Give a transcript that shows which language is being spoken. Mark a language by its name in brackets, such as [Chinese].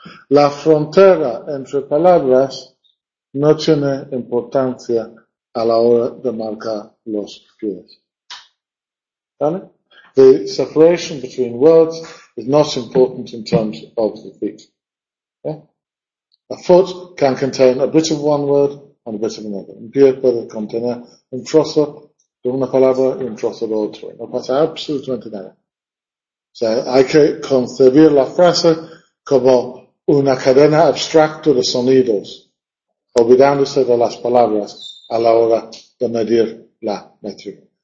[Spanish] La frontera entre palabras no tiene importancia a la hora de marcar los pies. ¿Vale? [English] The separation between words is not important in terms of the feet. ¿Eh? A foot can contain a bit of one word and a bit of another. [Spanish] Un pie puede contener un trozo de una palabra y un trozo de otra. No pasa absolutamente nada. O sea, hay que concebir la frase como una cadena abstracta de sonidos, olvidándose de las palabras a la hora de medir la métrica.